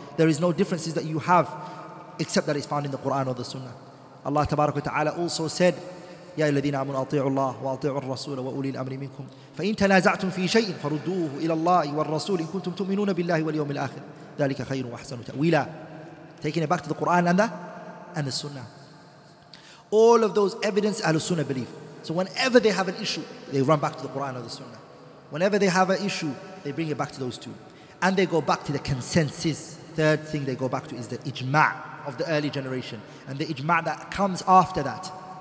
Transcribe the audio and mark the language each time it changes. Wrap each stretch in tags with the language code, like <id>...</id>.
<en>There is no differences that you have except that is found in the Quran or the Sunnah.</en> <ar>Allah تبارك وتعالى</ar> <en>also said,</en> <ar>يا الذين آمنوا أطيعوا الله وأطيعوا الرسول وأولي الأمر منكم فإن تنازعتم في شيء فردوه إلى الله والرسول إن كنتم تؤمنون بالله واليوم الآخر ذلك خير وأحسن تأويلا.</ar> <en>Taking it back to the Quran and the Sunnah, all of those evidence Ahlul Sunnah believe. So whenever they have an issue, they run back to the Quran or the Sunnah. Whenever they have an issue, they bring it back to those two, and they go back to the consensus. Third thing they go back to is the ijma' of the early generation and the ijma' that comes after that.</en>